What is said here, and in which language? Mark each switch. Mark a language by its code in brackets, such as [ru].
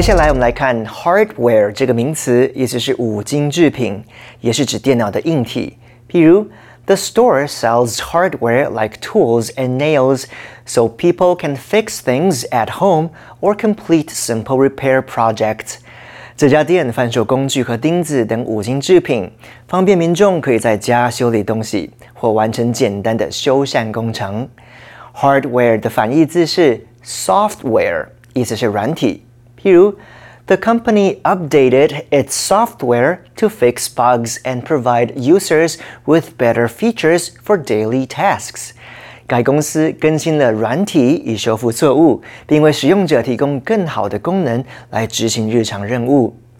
[zh] Hardware 这个名词意思是五金制品，也是指电脑的硬体。譬如 [en] ，The store sells hardware like tools and nails, so people can fix things at home or complete simple repair projects. [zh] 这家店贩售工具和钉子等五金制品，方便民众可以在家修理东西或完成简单的修缮工程。 Hardware 的反义字是 software， 意思是软体。譬如 [en] ，The company updated its software to fix bugs and provide users with better features for daily tasks. [zh] 该公司更新了软体以修复错误，并为使用者提供更好的功能来执行日常任务。